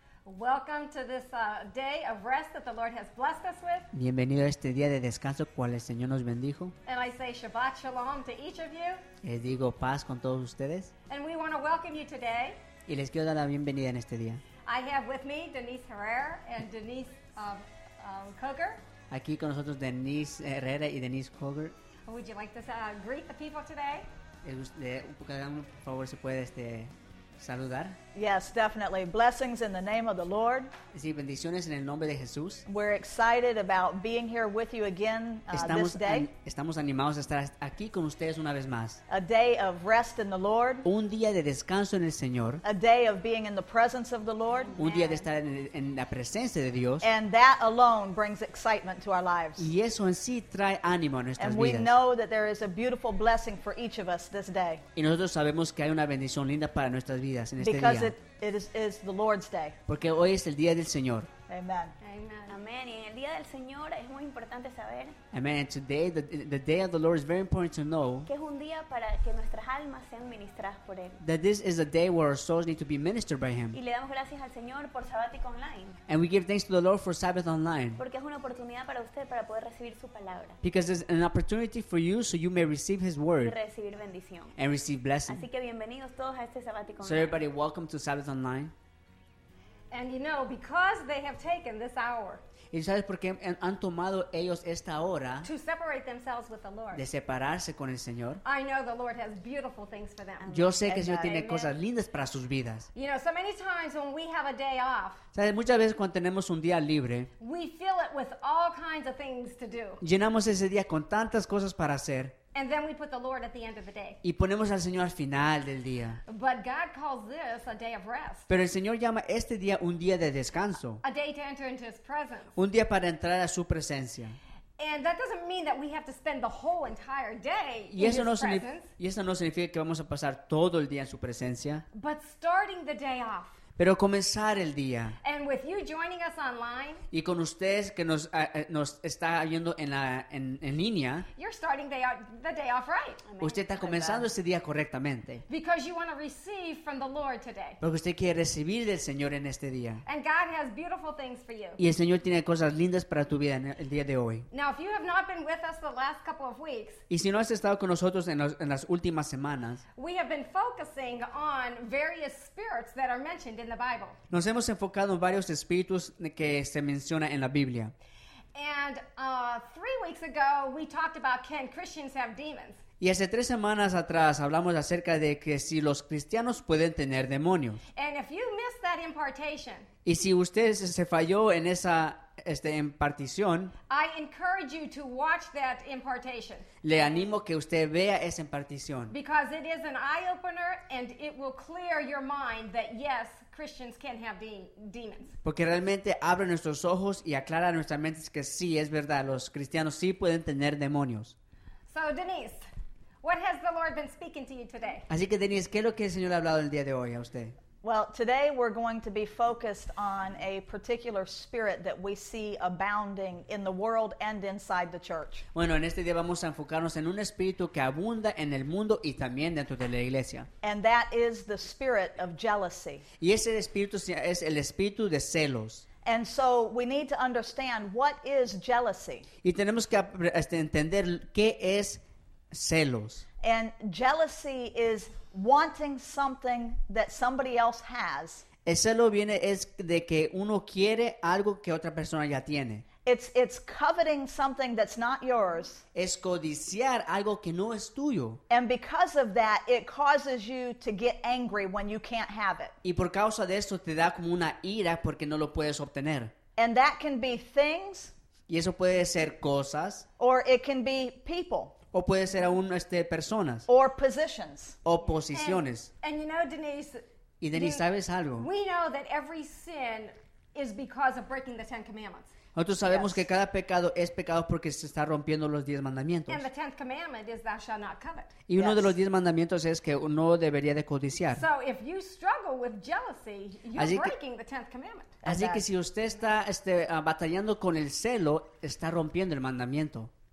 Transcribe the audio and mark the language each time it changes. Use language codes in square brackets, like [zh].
[en] Welcome to this day of rest that the Lord has blessed us with. [es] Bienvenido a este día de descanso cual el Señor nos bendijo. [en] And I say Shabbat Shalom to each of you. [es] Y digo paz con todos ustedes. [en] And we want to welcome you today. [es] Y les quiero dar la bienvenida en este día. [en] I have with me Denise Herrera and Denise Coger. [es] Aquí con nosotros Denise Herrera y Denise Coger. [en] Would you like to greet the people today? [es] Por favor, se puede saludar. [en] Yes, definitely. Blessings in the name of the Lord. [es] Sí, bendiciones en el nombre de Jesús. [en] We're excited about being here with you again [es] estamos [en] this day. [es] Estamos animados a estar aquí con ustedes una vez más. [en] A day of rest in the Lord. [es] Un día de descanso en el Señor. [en] A day of being in the presence of the Lord. [es] Un día de estar en la presencia de Dios. [en] And that alone brings excitement to our lives. [es] Y eso en sí trae ánimo a nuestras [en] and [es] vidas. [en] And we know that there is a beautiful blessing for each of us this day. [es] Y nosotros sabemos que hay una bendición linda para nuestras vidas en [en] Because [es] este día. [en] It is the Lord's day. [es] Porque hoy es el día del Señor. [en] Amen. [es] Amen. Y en el día del Señor es muy importante saber. [en] Amen. And today the day of the Lord is very important to know. [es] Que es un día para que nuestras almas sean ministradas por él. [en] That this is a day where our souls need to be ministered by him. [es] Y le damos gracias al Señor por sabático online. [en] And we give thanks to the Lord for Sabbath online. [es] Porque es una oportunidad para usted para poder recibir su palabra. [en] Because it's an opportunity for you so you may receive his word. [es] Y recibir bendición. [en] And receive blessing. [es] Así que bienvenidos todos a este sabático [en] online. So everybody welcome to Sabbath online. And you know, because they have taken this hour. [es] Y sabes por qué han tomado ellos esta hora. [en] To separate themselves with the Lord. [es] De separarse con el Señor. [en] I know the Lord has beautiful things for them. [es] Yo sé que el Señor tiene cosas lindas para sus vidas. [en] You know, so many times when we have a day off. [es] Sabes, muchas veces cuando tenemos un día libre. [en] We fill it with all kinds of things to do. [es] Llenamos ese día con tantas cosas para hacer. [en] And then we put the Lord at the end of the day. [es] Y ponemos al Señor al final del día. [en] But God calls this a day of rest. [es] Pero el Señor llama este día un día de descanso. [en] A day to enter into his presence. [es] Un día para entrar a su presencia. [en] And that doesn't mean that we have to spend the whole entire day [es] y eso [en] in his [es] no [en] presence. [es] Y eso no significa que vamos a pasar todo el día en su presencia. [en] But starting the day off. [es] Pero comenzar el día. [en] And with you joining us online, [es] y con ustedes que nos está viendo en línea. [en] You're starting the day off right. [es] Usted está comenzando ese día correctamente. [en] Because you want to receive from the Lord today. [es] Porque usted quiere recibir del Señor en este día. [en] And God has beautiful things for you. [es] Y el Señor tiene cosas lindas para tu vida en el día de hoy. [en] Now, if you have not been with us the last couple of weeks, [es] y si no has estado con nosotros en las últimas semanas, [en] we have been focusing on various spirits that are mentioned in the Bible. [es] Nos hemos enfocado en varios espíritus que se menciona en la Biblia. [en] And 3 weeks ago we talked about can Christians have demons? [es] Y hace 3 semanas atrás hablamos acerca de que si los cristianos pueden tener demonios. [en] And if you missed that impartation, [es] y si usted se falló en esa impartición, [en] I encourage you to watch that impartation. [es] Le animo que usted vea esa impartición. [en] Because it is an eye-opener and it will clear your mind that yes, Christians can have demons. [es] Porque realmente abre nuestros ojos y aclara nuestras mentes que sí, es verdad, los cristianos sí pueden tener demonios. [en] So, Denise, what has the Lord been speaking to you today? [es] Así que, Denise, ¿qué es lo que el Señor ha hablado el día de hoy a usted? [en] Well, today we're going to be focused on a particular spirit that we see abounding in the world and inside the church. [es] Bueno, en este día vamos a enfocarnos en un espíritu que abunda en el mundo y también dentro de la iglesia. [en] And that is the spirit of jealousy. [es] Y ese espíritu es el espíritu de celos. [en] And so we need to understand what is jealousy. [es] Y tenemos que entender qué es celos. [en] And jealousy is wanting something that somebody else has. [es] El celo viene es de que uno quiere algo que otra persona ya tiene. [en] It's coveting something that's not yours. [es] Es codiciar algo que no es tuyo. [en] And because of that, it causes you to get angry when you can't have it. [es] Y por causa de eso te da como una ira porque no lo puedes obtener. [en] And that can be things. [es] Y eso puede ser cosas. [en] Or it can be people. [es] O puede ser aún personas. [en] Or positions. [es] O posiciones. [en] And you know, Denise. [es] Y Denise, ¿sabes algo? [en] We know that every sin is because of breaking the Ten Commandments. [es] Nosotros sabemos que cada pecado es pecado porque se está rompiendo los 10 mandamientos. [en] And the tenth commandment is thou shalt not covet. [es] Y uno de los 10 mandamientos es que no debería de codiciar. [en] So if you struggle with jealousy, you're breaking the tenth commandment. [es] Así que si usted está batallando con el celo, está rompiendo el mandamiento.